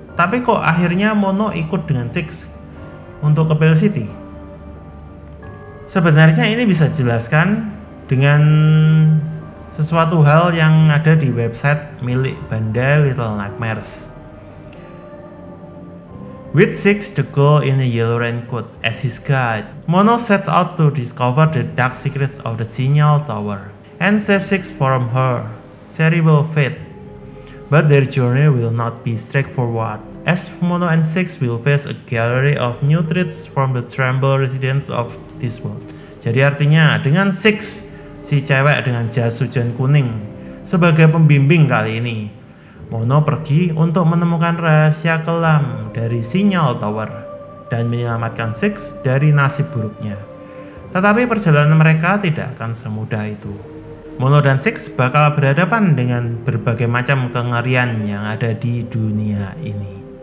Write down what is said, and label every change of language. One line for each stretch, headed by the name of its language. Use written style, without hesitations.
Indonesian: Tapi kok akhirnya Mono ikut dengan Six untuk ke Pale City? Sebenarnya ini bisa dijelaskan dengan sesuatu hal yang ada di website milik banda Little Nightmares.
English: With Six the girl in a yellow raincoat as his guide, Mono sets out to discover the dark secrets of the Signal Tower and save Six from her terrible fate. But their journey will not be straightforward, as Mono and Six will face a gallery of new threats from the tremble residents of this world.
Indonesian: Jadi artinya dengan Six, si cewek dengan jas hujan kuning, sebagai pembimbing kali ini, Mono pergi untuk menemukan rahasia kelam dari Signal Tower dan menyelamatkan Six dari nasib buruknya. Tetapi perjalanan mereka tidak akan semudah itu. Mono dan Six bakal berhadapan dengan berbagai macam kengerian yang ada di dunia ini.